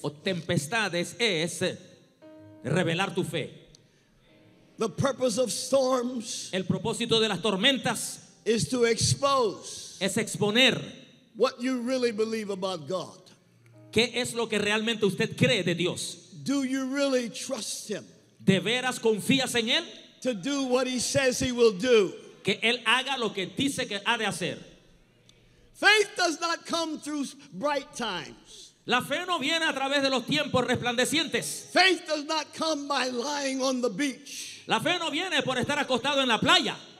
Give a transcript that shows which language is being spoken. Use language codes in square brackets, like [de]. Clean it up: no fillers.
[es] O tempestades es revelar tu fe. [en] The purpose of storms. [es] El propósito de las tormentas. [en] Is to expose. [es] Es exponer. [en] What you really believe about God. [es] ¿Qué es lo que realmente usted cree de Dios? [en] Do you really trust him? [es] ¿De veras confías en él? [en] To do what he says he will do. [es] Que él haga lo que dice que ha de hacer. [en] Faith does not come through bright times. [es] La fe no viene a través de los tiempos resplandecientes. [en] Faith does not come by lying on the beach. [es] La fe no viene por estar acostado en la playa.